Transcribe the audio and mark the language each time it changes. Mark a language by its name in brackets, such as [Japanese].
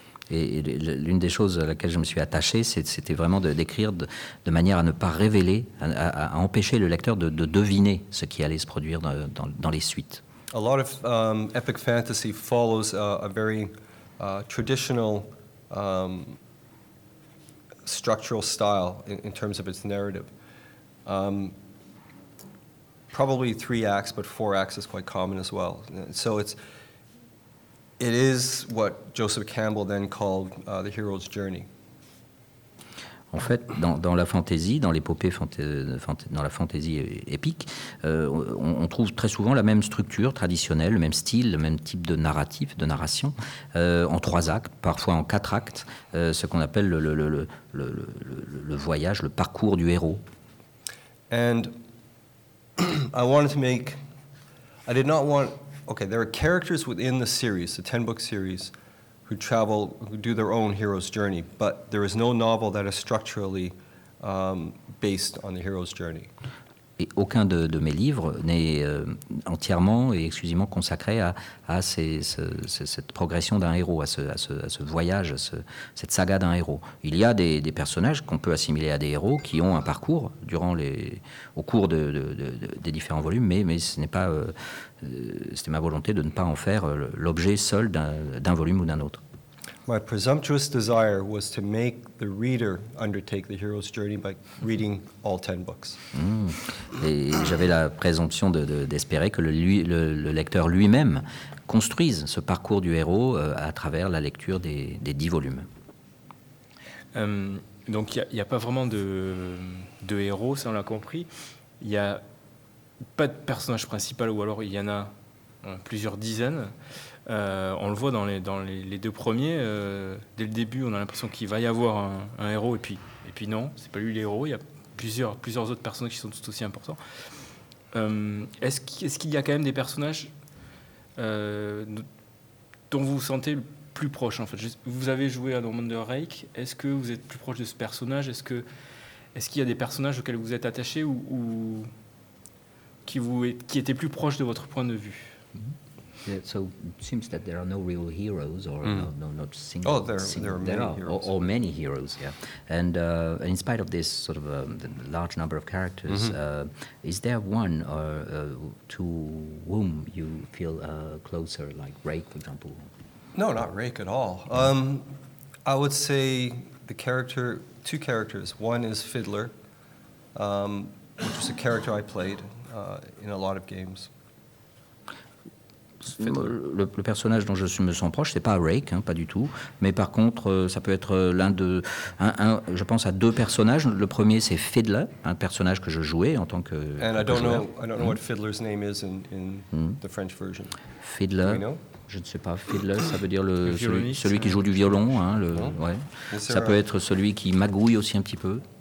[French] Et l'une des choses à laquelle je me suis attaché, c'était vraiment d'écrire de manière à ne pas révéler, à empêcher le lecteur de deviner ce qui allait se produire dans les suites. [English] A lot of epic fantasy follows a very traditional structural style in terms of its narrative. Probably three acts, but four acts is quite common as well. So it is what Joseph Campbell then called the hero's journey. [French] En fait, dans la fantasy, dans l'épopée, dans la fantasy épique, on trouve très souvent la même structure traditionnelle, le même style, le même type de narratif, de narration, en trois actes, parfois en quatre actes, ce qu'on appelle le voyage, le parcours du héros. [English] And I wanted to make, I did not want, okay, there are characters within the series, the 10-book series, who travel, who do their own hero's journey, but there is no novel that is structurally based on the hero's journey. [French] Et aucun de mes livres n'est entièrement et exclusivement consacré à cette progression d'un héros, à ce voyage, à cette saga d'un héros. Il y a des personnages qu'on peut assimiler à des héros qui ont un parcours au cours des différents volumes, mais ce n'est pas c'était ma volonté de ne pas en faire l'objet seul d'un volume ou d'un autre. [English] My presumptuous desire was to make the reader undertake the hero's journey by reading all 10 books. [French] Et j'avais la présomption d'espérer que le lecteur lui-même construise ce parcours du héros à travers la lecture des 10 volumes. Donc il n'y a pas vraiment de héros, ça on l'a compris. Il n'y a pas de personnage principal, ou alors il y en a plusieurs dizaines. On le voit dans les deux premiers, dès le début, on a l'impression qu'il va y avoir un héros, et puis non, c'est pas lui l'héros, il y a plusieurs autres personnages qui sont tout aussi importants. Est-ce qu'il y a quand même des personnages dont vous vous sentez plus proche, en fait? Vous avez joué à Normander Rake, est-ce que vous êtes plus proche de ce personnage? Est-ce qu'il y a des personnages auxquels vous êtes attaché ou qui étaient plus proches de votre point de vue? [English] So it seems that there are no real heroes, or not single. Oh, there are many heroes. Or many heroes, yeah. And in spite of this sort of the large number of characters, is there one to whom you feel closer, like Rake, for example? No, not Rake at all. I would say two characters. One is Fiddler, which was a character I played in a lot of games. [French] Le personnage dont me sens proche, c'est pas Rake, hein, pas du tout. Mais par contre, ça peut être je pense à deux personnages. Le premier, c'est Fiddler, un personnage que je jouais en tant que. [English] And I don't know. I don't know what Fiddler's name is in the French version. [French] Fiddler. Je ne sais pas. Fiddler, ça veut dire celui qui joue du violon. Hein, ouais. Ça peut être celui qui magouille aussi un petit peu.